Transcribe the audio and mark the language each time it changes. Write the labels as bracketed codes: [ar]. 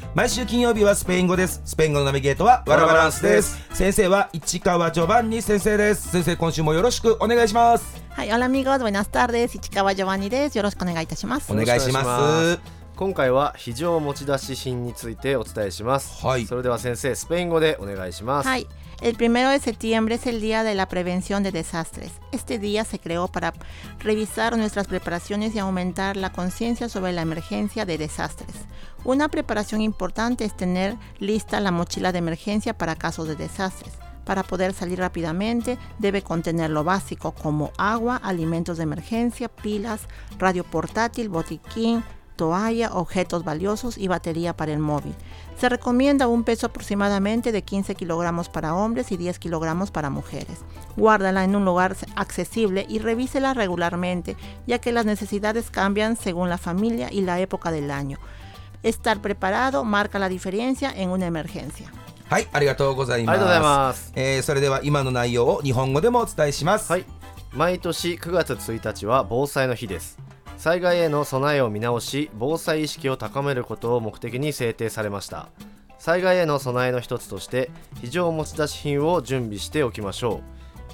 [ja] 毎週金曜日はスペイン語です。スペイン語のナビゲートはワラバランスです。先生は市川ジョバンニ先生です。先生、今週もよろしくお願いします。はい、オラミゴーズバイナスターです。市川ジョバンニです。よろしくお願いいたします。お願いします。今回は非常持ち出し品についてお伝えします、はい、それでは先生、スペイン語でお願いします。はい。 [es] El primero de septiembre es el día de la prevención de desastres. Este día se creó para revisar nuestras preparaciones y aumentar la conciencia sobre la emergencia de desastres. Una preparación importante es tener lista la mochila de emergencia para casos de desastres. Para poder salir rápidamente, debe contener lo básico como agua, alimentos de emergencia, pilas, radio portátil, botiquín, toalla, objetos valiosos y batería para el móvil. Se recomienda un peso aproximadamente de 15 kilogramos para hombres y 10 kilogramos para mujeres. Guárdala en un lugar accesible y revísela regularmente, ya que las necesidades cambian según la familia y la época del año. Estar preparado marca la diferencia en una emergencia. [ja] はい、ありがとうございます。ありがとうございます。それでは今の内容を日本語でもお伝えします。はい。毎年9月1日は防災の日です。災害への備えを見直し、防災意識を高めることを目的に制定されました。災害への備えの一つとして非常持ち出し品を準備しておきましょう。